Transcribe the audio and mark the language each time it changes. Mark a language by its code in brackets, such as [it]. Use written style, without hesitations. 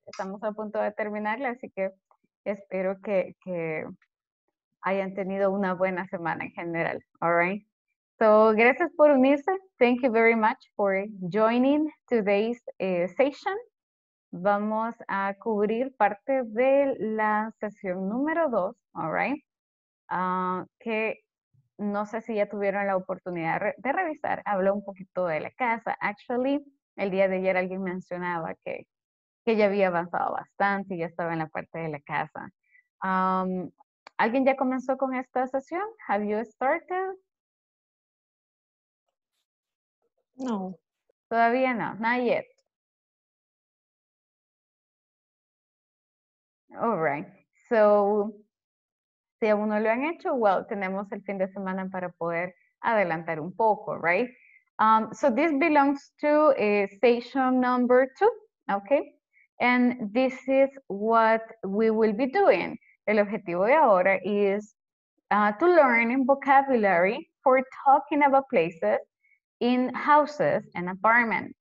[es] Estamos a punto de terminarla, así que espero que hayan tenido una buena semana en general, all right? So, gracias por unirse. [en] Thank you very much for joining today's session. [es] Vamos a cubrir parte de la sesión número 2, all right? Que no sé si ya tuvieron la oportunidad de revisar. Habló un poquito de la casa. Actually, el día de ayer alguien mencionaba que ya había avanzado bastante y ya estaba en la parte de la casa. ¿Alguien ya comenzó con esta sesión? Have you started? No. Todavía no. Not yet. [en] All right. [es] So, si aún no lo han hecho, well, tenemos el fin de semana para poder adelantar un poco, right? [en] So this belongs to session number 2, okay? And this is what we will be doing. El objetivo de ahora is to learn vocabulary for talking about places in houses and apartments.